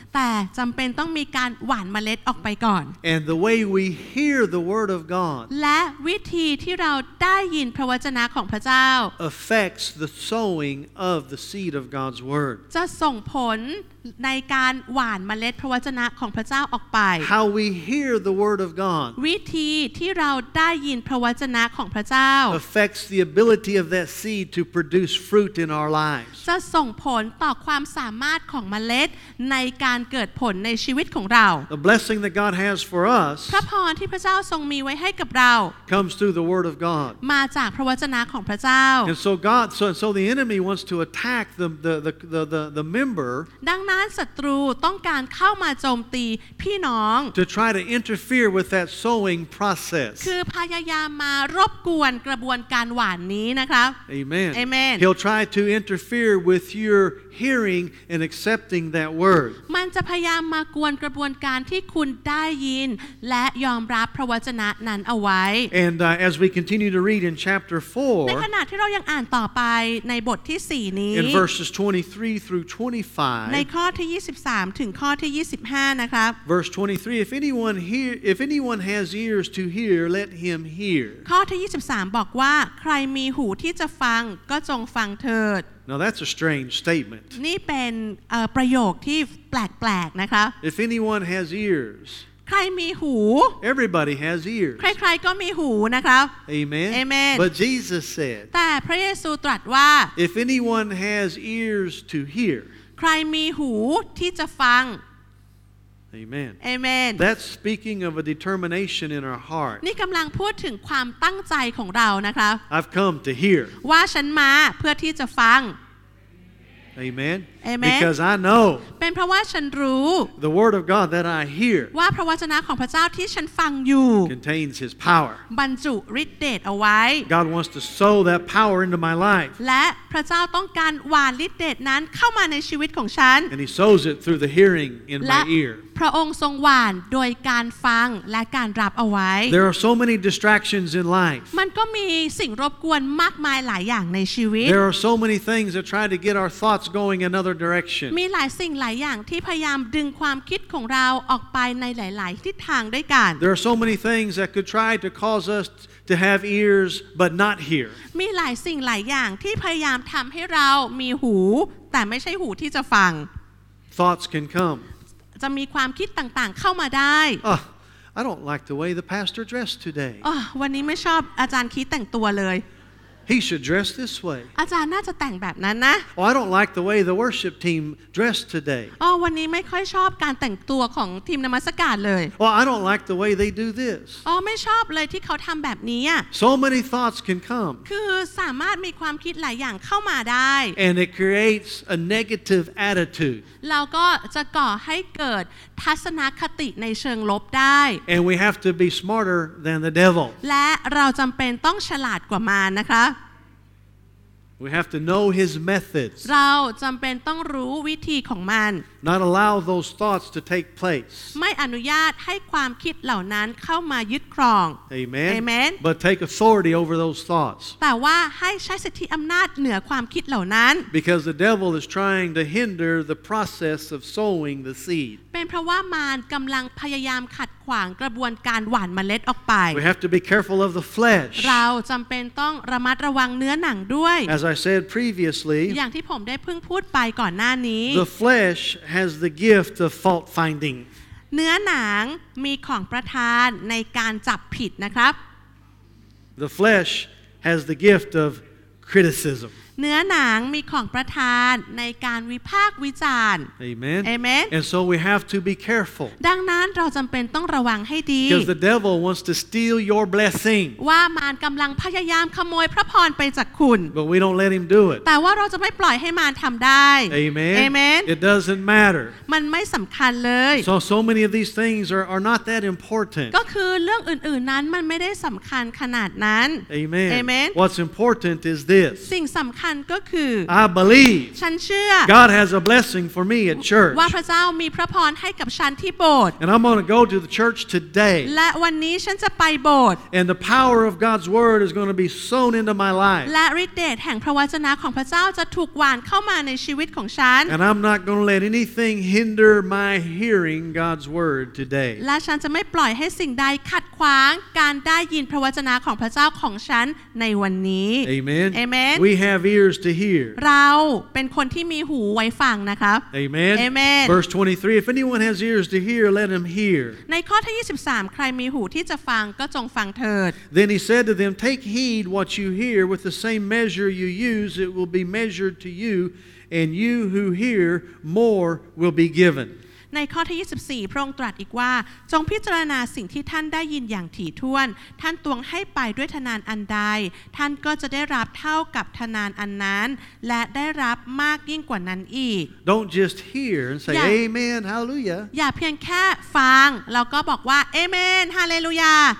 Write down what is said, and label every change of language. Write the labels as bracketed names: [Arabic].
[Thai] แต่จำเป็นต้องมีการหว่านเมล็ดออกไปก่อน [English] And the way we hear the word of God [Thai] และวิธีที่เราได้ยินพระวจนะของพระเจ้า [English] affects the sowing of the seed of God's word [Thai] จะส่งผลในการหว่านเมล็ดพระวจนะของพระเจ้าออกไป [English] How we hear the word of God [Thai] วิธีที่เราได้ยินพระวจนะของพระเจ้า [English] affects the ability of that seed to produce fruit in our lives [Thai] จะส่งผลต่อความสามารถของเมล็ดในการเกิดผลในชีวิตของเรา [English] The blessing that God has for us [Thai] พระพรที่พระเจ้าทรงมีไว้ให้กับเรา [English] comes through the word of God [Thai] มาจากพระวจนะของพระเจ้า [English] And so God so the enemy wants to attack the member [Thai] ดังนั้นศัตรูต้องการเข้ามาโจมตีพี่น้อง [English] to try to interfere with that sowing process [Thai] คือพยายามมารบกวนกระบวนการหว่านนี้นะครับ [English] Amen. Amen He'll try to interfere with your hearing and accepting that word [Thai] มันจะพยายามมากวนกระบวนการที่คุณได้ยินและยอมรับพระวจนะนั้นเอาไว้ [English] And as we continue to read in chapter 4 [Thai] ในขณะที่เรายังอ่านต่อไปในบทที่4นี้ [English] In verses 23 through 25 [Thai] ข้อที่23ถึงข้อที่25นะครับ [English] Verse 23 if anyone has ears to hear let him hear [Thai] ข้อที่23บอกว่าใครมีหูที่จะฟังก็จงฟังเถิด [English] Now that's a strange statement [Thai] นี่เป็นประโยคที่แปลกๆนะครับ [English] If anyone has ears [Thai] ใครมีหู [English] Everybody has ears [Thai] ใครๆก็มีหูนะครับ [English] Amen Amen But Jesus said [Thai] แต่พระเยซูตรัสว่า [English] If anyone has ears to hear [Thai] ใครมีหูที่จะฟัง [English] Amen Amen That's speaking of a determination in our heart [Thai] นี่กำลังพูดถึงความตั้งใจของเรานะครับ [English] I've come to hear [Thai] ว่าฉันมาเพื่อที่จะฟัง [English] Amen Amen Because I know [Thai] เป็นเพราะว่าฉันรู้ [English] The word of God that I hear [Thai] ว่าพระวจนะของพระเจ้าที่ฉันฟังอยู่ [English] contains his power [Thai] บรรจุฤทธิ์เดชเอาไว้ [English] God wants to sow that power into my life [Thai] และพระเจ้าต้องการหว่านฤทธิ์เดชนั้นเข้ามาในชีวิตของฉัน [English] And he sows it through the hearing in my ear [Thai] พระองค์ทรงหว่านโดยการฟังและการรับเอาไว้ [English] There are so many distractions in life [Thai] มันก็มีสิ่งรบกวนมากมายหลายอย่างในชีวิต [English] There are so many things that try to get our thoughts going another [Thai] มีหลายสิ่งหลายอย่างที่พยายามดึงความคิดของเราออกไปในหลายๆทิศทางด้วยกัน [English] There are so many things that could try to cause us to have ears but not hear [Thai] มีหลายสิ่งหลายอย่างที่พยายามทำให้เรามีหูแต่ไม่ใช่หูที่จะฟัง [English] Thoughts can come [Thai] จะมีความคิดต่างๆเข้ามาได้ [English] I don't like the way the pastor dressed today [Thai] วันนี้ไม่ชอบอาจารย์คิดแต่งตัวเลย [English] He should dress this way. [Thai] อาจารย์น่าจะแต่งแบบนั้นนะ [English] Oh, I don't like the way the worship team dressed today. [Thai] อ๋อวันนี้ไม่ค่อยชอบการแต่งตัวของทีมนมัสการเลย [English] Oh, I don't like the way they do this. [Thai] อ๋อไม่ชอบเลยที่เขาทำแบบนี้อ่ะ [English] So many thoughts can come. [Thai] คือสามารถมีความคิดหลายอย่างเข้ามาได้ [English] And it creates a negative attitude. [Thai] เราก็จะก่อให้เกิดทัศนคติในเชิงลบได้ [English] And we have to be smarter than the devil. [Thai] และเราจำเป็นต้องฉลาดกว่ามารนะคะ [English] We have to know his methods. [Thai] เราจำเป็นต้องรู้วิธีของมัน [English] Not allow those thoughts to take place. [Thai] ไม่อนุญาตให้ความคิดเหล่านั้นเข้ามายึดครอง [English] Amen. Amen. But take authority over those thoughts. [Thai] แต่ว่าให้ใช้สิทธิอำนาจเหนือความคิดเหล่านั้น [English] Because the devil is trying to hinder the process of sowing the seed. [Thai] เป็นเพราะว่ามารกำลังพยายามขัดขวางกระบวนการหว่านเมล็ดออกไป [English] We have to be careful of the flesh. [Thai] เราจำเป็นต้องระมัดระวังเนื้อหนังด้วย [English] As I said previously [Thai] อย่างที่ผมได้เพิ่งพูดไปก่อนหน้านี้ [English] The flesh has the gift of fault finding [Thai] เนื้อหนังมีของประทานในการจับผิดนะครับ [English] The flesh has the gift of criticism [Thai] เนื้อหนังมีของประทานในการวิพากษ์วิจารณ์ [English] Amen Amen And so we have to be careful [Thai] ดังนั้นเราจำเป็นต้องระวังให้ดี [English] Because the devil wants to steal your blessing [Thai] ว่ามารกำลังพยายามขโมยพระพรไปจากคุณ [English] But we don't let him do it [Thai] แต่ว่าเราจะไม่ปล่อยให้มารทำได้ [English] Amen Amen It doesn't matter [Thai] มันไม่สำคัญเลย [English] So many of these things are not that important [Thai] ก็คือเรื่องอื่นๆนั้นมันไม่ได้สำคัญขนาดนั้น [English] Amen Amen What's important is this [Thai] สิ่งสำคัญ [English] I believe. [Thai] ฉันเชื่อ [English] God has a blessing for me at church. [Thai] ว่าพระเจ้ามีพระพรให้กับฉันที่โบสถ์ [English] And I'm going to go to the church today. [Thai] และวันนี้ฉันจะไปโบสถ์ [English] And the power of God's word is going to be sown into my life. [Thai] และฤทธิ์เดชแห่งพระวจนะของพระเจ้าจะถูกหว่านเข้ามาในชีวิตของฉัน [English] And I'm not going to let anything hinder my hearing God's word today. [Thai] และฉันจะไม่ปล่อยให้สิ่งใดขัดขวางการได้ยินพระวจนะของพระเจ้าของฉันในวันนี้ [English] Amen. Amen. We haveears to hear [Thai] เราเป็นคนที่มีหูไว้ฟังนะครับ [English] Amen Amen Verse 23 If anyone has ears to hear let him hear [Thai] ในข้อที่23ใครมีหูที่จะฟังก็จงฟังเถิด [English] Then he said to them take heed what you hear with the same measure you use it will be measured to you and you who hear more will be given [Thai] ในข้อที่24พระองค์ตรัสอีกว่าจงพิจารณาสิ่งที่ท่านได้ยินอย่างถี่ถ้วนท่านตวงให้ไปด้วยทนานอันใดท่านก็จะได้รับเท่ากับทนานอันนั้นและได้รับมากยิ่งกว่านั้นอีก [English] Don't just hear and say Amen Hallelujah [Thai] อย่าเพียงแค่ฟังแล้วก็บอกว่า Amen Hallelujah